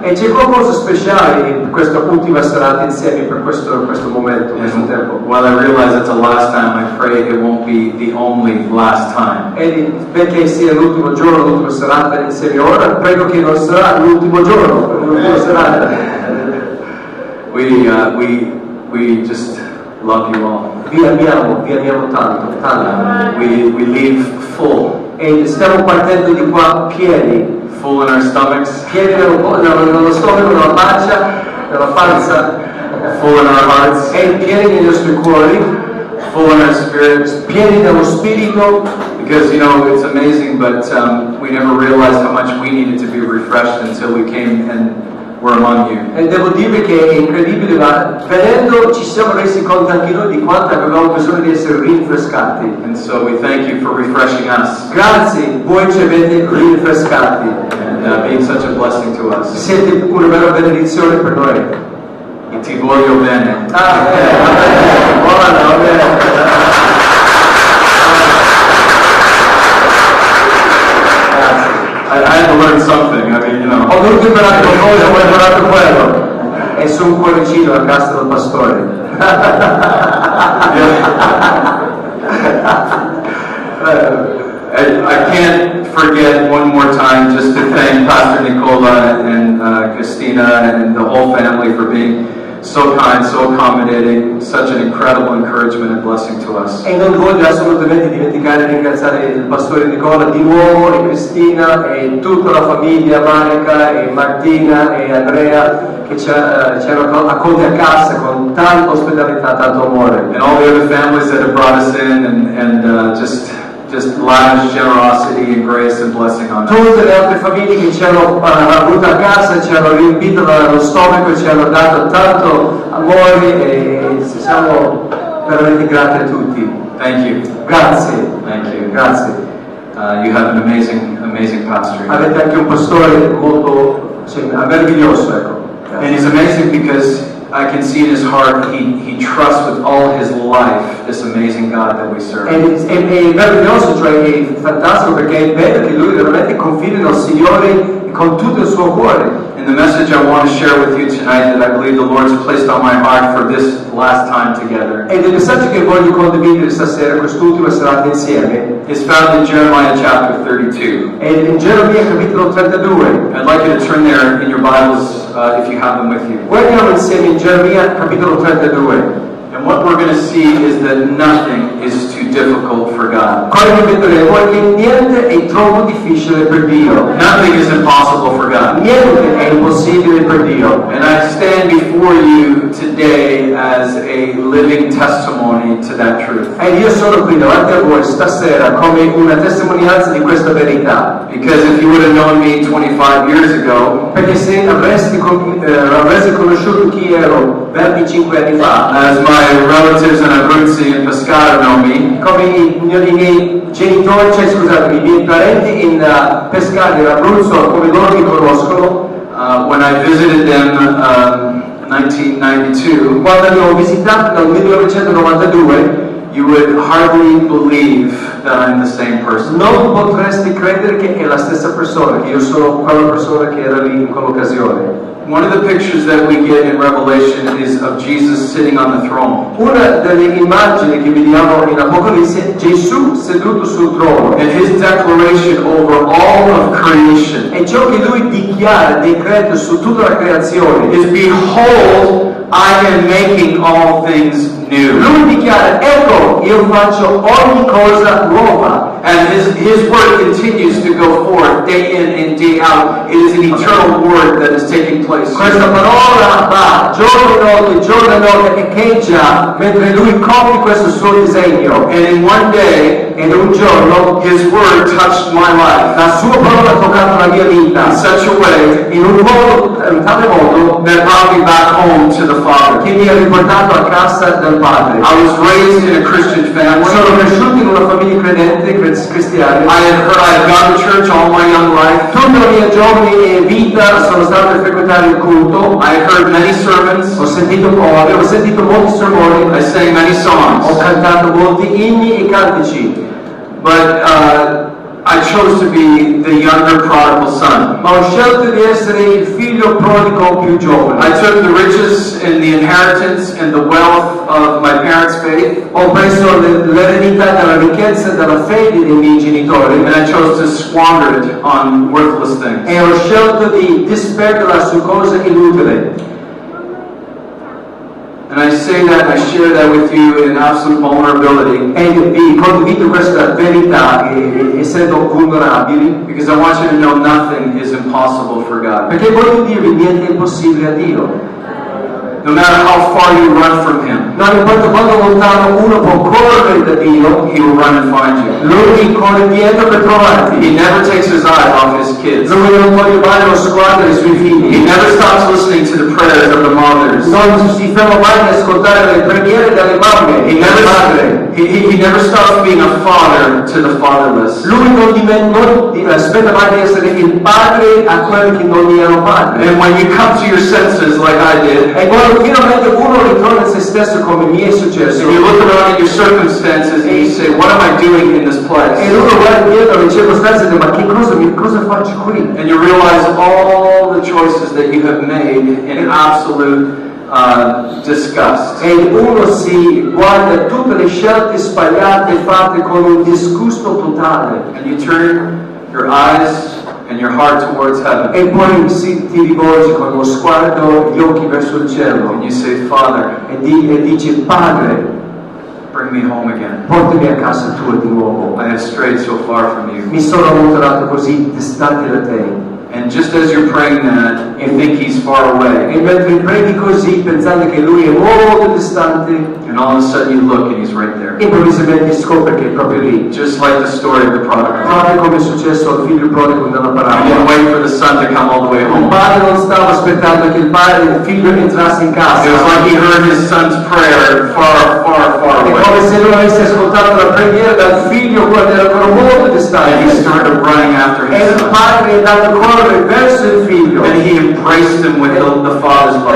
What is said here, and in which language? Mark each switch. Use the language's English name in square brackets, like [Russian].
[Italian] E c'è qualcosa speciale in questa ultima serata insieme per questo momento, questo tempo. [English] While I realize it's the last time, I pray it won't be the only last time. [Italian] E perché sia l'ultimo giorno, l'ultima serata insieme ora, prego che non sarà l'ultimo giorno, l'ultima serata. [English] We just love you all. [Italian] Vi amiamo tanto, tanto. [English] We leave full. [Italian] E stiamo partendo di qua pieni, [English] full in our stomachs, [Italian] pieni nello stomaco, nella pancia, nella pancia, [English] full in our hearts, [Italian] e pieni nei nostri cuori, [English] full in our spirits, [Italian] pieni dello spirito. [English] Because you know it's amazing, but we never realized how much we needed to be refreshed until we came and were among you. [Italian] E devo dire che è incredibile, ma venendo ci siamo resi conto anche noi di quanto avevamo bisogno di essere rinfrescati. [English] And so we thank you for refreshing us. [Italian] Grazie, voi ci avete rinfrescati. [English] And being such a blessing to us. [Italian] Siete una vera benedizione per noi. E ti voglio bene. Amen. Amen. [English] I had to learn something. I mean, you know. [Italian] Ho dovuto imparare qualcosa, ho imparato quello. E su un cuoricino a casa del pastore. [English] I can't forget one more time just to thank Pastor Nicola and Christina and the whole family for being so kind, so accommodating, such an incredible encouragement and blessing to us. [Italian] E non voglio assolutamente dimenticare di ringraziare il pastore Nicola di nuovo e Cristina e tutta la famiglia, Monica e Martina e Andrea che ci hanno accolti a casa con tanta ospitalità, tanto amore. [English] And all the other families that have brought us in and just lavish generosity and grace and blessing on us. [Italian] Tutte le altre famiglie che ci hanno avuto a casa, ci hanno riempito lo stomaco, ci hanno dato tanto amore e siamo veramente grati a tutti. [English] Thank you. [Italian] Grazie. [English] Thank you. [Italian] Grazie. [English] You have an amazing pastor. [Italian] Avete anche un pastore molto meraviglioso, ecco. [English] And he's amazing because I can see in his heart he trusts with all his life this amazing God that we serve. [Italian] And è meraviglioso, cioè è fantastico perché è vero che lui veramente confida nel Signore con tutto il suo cuore. [English] And the message I want to share with you tonight that I believe the Lord has placed on my heart for this last time together. [Italian] Ed il messaggio che voglio condividere stasera, quest'ultima serata insieme, [English] is found in Jeremiah chapter 32. [Italian] Ed in Geremia capitolo 32. [English] I'd like you to turn there in your Bibles if you have them with you. [Italian] Vogliamo insieme in Geremia capitolo 32. [English] And what we're going to see is that nothing is too difficult for God. [Italian] Quello che vedremo è che niente è troppo difficile per Dio. [English] Nothing is impossible for God. [Italian] Niente è impossibile per Dio. [English] And I stand before you today as a living testimony to that truth. [Italian] E io sono qui davanti a voi stasera come una testimonianza di questa verità. [English] Because if you would have known me 25 years ago, [Italian] perché se avessi conosciuto chi ero 25 anni fa, [English] as my relatives in Abruzzi and Pescara know me, [Italian] come i miei genitori, cioè scusatemi, i miei parenti in Pescara e Abruzzo, come loro mi conoscono, [English] when I visited them 1992, [Italian] quando li ho visitati nel 1992, [English] you would hardly believe that I'm the same person. [Italian] Non potresti credere che è la stessa persona, che io sono quella persona che era lì in quell'occasione. [English] One of the pictures that we get in Revelation is of Jesus sitting on the throne. [Italian] Una delle immagini che vediamo in Apocalisse, Gesù seduto sul trono. [English] And his declaration over all of creation. [Italian] E ciò che lui dichiara, decreto su tutta la creazione. [English] Is behold, I am making all things new. [Italian] Lui dichiara, ecco, io faccio ogni cosa nuova. [English] And his word continues to go forth day in and day out. It is an eternal word that is taking place. [Italian] Questa parola va giorno e notte echeggia mentre lui compie questo suo disegno. [English] And in one day, [Italian] in un giorno, [English] his word touched my life. [Italian] La sua parola ha toccato la mia vita [English] in such a way, [Italian] in un modo, in tale modo, [English] that brought me back home to the Father. [Italian] Che mi ha riportato a casa del Padre. [English] I was raised in a Christian family. [Italian] Sono cresciuto in una famiglia credente. [English] I have gone to church all my young life. [Italian] Tutta la mia giovane vita sono stato a frequentare il culto. [English] I have heard many sermons. [Italian] Ho sentito molti sermoni. [English] I sang many songs. [Italian] Ho cantato molti inni e cantici. [English] But I chose to be the younger prodigal son. [Italian] Ma ho scelto di essere il figlio prodigo più giovane. [English] I took the riches and the inheritance and the wealth of my parents' faith. [Italian] Ho preso l'eredità della ricchezza della fede dei miei genitori. [English] And I chose to squander it on worthless things. [Italian] E ho scelto di disperderla su cose inutili. [English] And I say that, I share that with you in absolute vulnerability. [Italian] And be condivido questa verità essendo vulnerabili, [English] because I want you to know nothing is impossible for God. [Italian] Perché voglio dirvi niente è impossibile a Dio. [English] No matter how far you run from Him, [Italian] non importa quanto lontano uno può correre da Dio, [English] He will run and find you. [Italian] Lui corre dietro per trovarti. [English] He never takes His eyes off His kids. [Italian] Lui non vuole mai lo sguardo dei suoi figli. [English] He never stops listening to the prayers of the mothers. [Italian] Non si ferma mai ad ascoltare le preghiere delle mamme. [English] He never stops being a father to the fatherless. [Italian] Lui non dimentica, aspetta mai di essere il padre a quelli che non gli erano padre. [English] And when you come to your senses like I did, [Italian] finalmente uno ritorna a se stesso come mi è successo. [English] You look around at your circumstances and you say, what am I doing in this place? [Italian] E uno guarda dietro le circostanze e dice, ma che cosa faccio qui? [English] And you realize all the choices that you have made in absolute disgust. [Italian] E uno si guarda tutte le scelte sbagliate fatte con un disgusto totale. [English] And you turn your eyes and your heart towards heaven. [Italian] E poi ti rivolgi con lo sguardo, gli occhi verso il cielo. [English] And you say, Father. [Italian] E dici, Padre. [English] Bring me home again. [Italian] Portami a casa tua di nuovo. [English] I have strayed so far from you. [Italian] Mi sono allontanato così distante da te. [English] And just as you're praying that, you think he's far away. [Italian] E mentre preghi così, pensando che lui è molto distante. [English] And all of a sudden you look and he's right there. [Italian] Improvvisamente scopri che è proprio lì. [English] Just like the story of the prodigal. [Italian] Proprio come è successo al figlio prodigo nella parabola. [English] He didn't wait for the son to come all the way home. [Italian] Il padre non stava aspettando che il padre, il figlio entrasse in casa. [English] It was like he heard his son's prayer far, far, far away. [Italian] È come se lui avesse ascoltato la preghiera dal figlio quando era ancora molto distante. [English] And he started running after his son. [Italian] E il padre è andato correre padre verso il figlio. [English] And he embraced him with the father's love.